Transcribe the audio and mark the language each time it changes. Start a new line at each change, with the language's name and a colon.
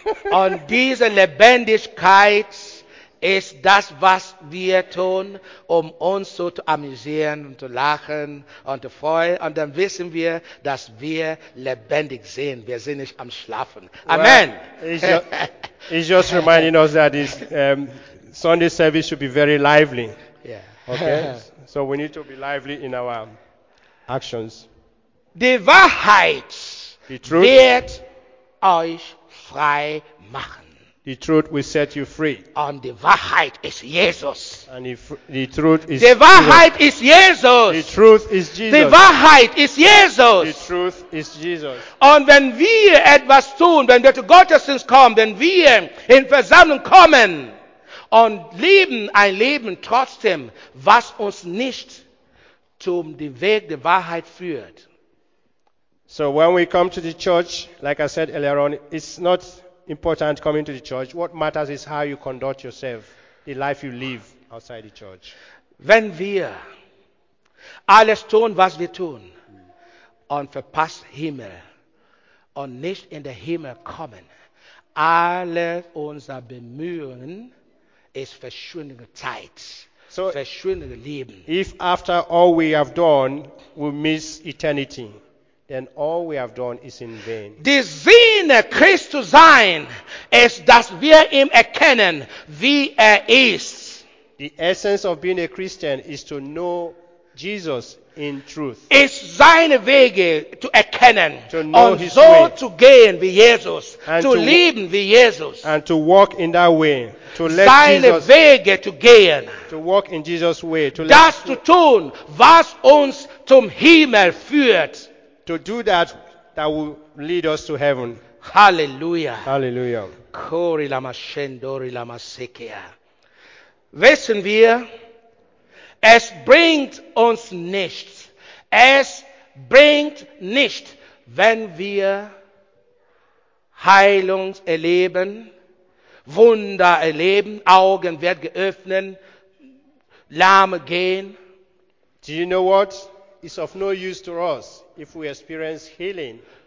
German: Und diese Lebendigkeit ist das, was wir tun, um uns so zu amüsieren und zu lachen und zu freuen. Und dann wissen wir, dass wir lebendig sind. Wir sind nicht am Schlafen. Amen.
English: Well, it's just reminding us that this Sunday service should be very lively. Yeah. Okay. So we need to be lively in our actions.
German: Die Wahrheit
English: the truth
German: wird euch frei machen.
English: The truth will set you free. And the Wahrheit is Jesus. And the truth is Jesus. The Wahrheit is Jesus. The truth is Jesus. The Wahrheit is Jesus. The truth is Jesus.
German: Und wenn wir etwas tun, wenn wir zu Gottesdienst kommen, wenn wir in Versammlung kommen und leben ein Leben trotzdem, was uns nicht zum Weg der Wahrheit führt.
English: So when we come to the church, like I said earlier on, it's not important coming to the church. What matters is how you conduct yourself, the life you live outside the church.
German: Wenn wir alles tun, was wir tun, und verpasst Himmel und nicht in den Himmel kommen. Alle unsere Bemühungen ist verschwendete Zeit.
English: So,
German: verschwendete Leben.
English: If after all we have done, we miss eternity, then all we have done is in vain.
German: Die Sinne Christ zu sein, ist, dass wir ihn erkennen, wie ist.
English: The essence of being a Christian is to know Jesus in truth.
German: Ist seine Wege zu erkennen.
English: To know
German: und
English: his so way. Zu gehen wie Jesus. And zu leben wie Jesus. And to walk in that way. To let
German: seine
English: Jesus,
German: Wege zu gehen.
English: To walk in Jesus' way. To
German: das zu tun, was uns zum Himmel führt.
English: To do that, that will lead us to heaven. Hallelujah. Hallelujah. Kori lama shendori lama sekia.
German: Wissen wir, es bringt uns nichts. Es bringt nichts, wenn wir Heilung erleben, Wunder erleben, Augen werden geöffnet, Lahme gehen.
English: Do you know what? It's of no use to us if we experience healing.